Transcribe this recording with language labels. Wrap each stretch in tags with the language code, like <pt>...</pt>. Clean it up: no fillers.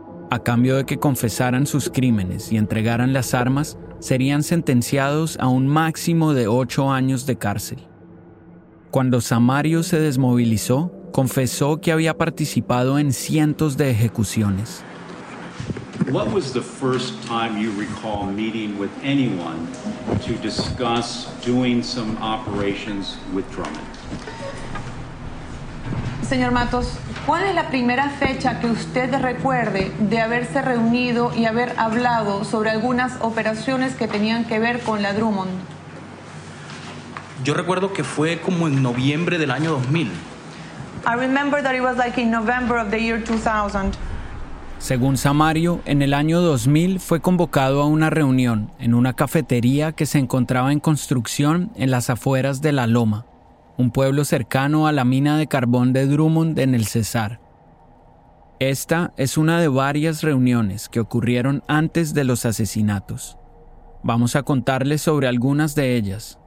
<es>A cambio de que confesaran sus crímenes y entregaran las armas, serían sentenciados a un máximo de 8 años de cárcel. Cuando Samario se desmovilizó, confesó que había participado en cientos de ejecuciones.</es> <en>What was the first time you recall meeting with anyone to discuss doing some operations with Drummond?</en> <es>Señor Matos, ¿cuál es la primera fecha que usted recuerde de haberse reunido y haber hablado sobre algunas operaciones que tenían que ver con la Drummond? Yo recuerdo que fue como en noviembre del año 2000.</es> <en>I remember that it was like in November of the year 2000.</en> <es>Según Samario, en el año 2000 fue convocado a una reunión en una cafetería que se encontraba en construcción en las afueras de La Loma, un pueblo cercano a la mina de carbón de Drummond en el Cesar. Esta es una de varias reuniones que ocurrieron antes de los asesinatos. Vamos a contarles sobre algunas de ellas,</es>